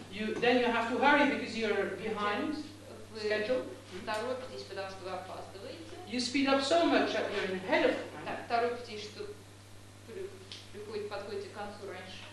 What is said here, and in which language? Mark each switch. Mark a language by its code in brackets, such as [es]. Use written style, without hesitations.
[en] You then you have to hurry because you're behind schedule. [ru] Торопитесь, потому что вы опаздываете. [en] You speed up so much that you're ahead of time. [ru] Торопитесь, что подходите к концу раньше.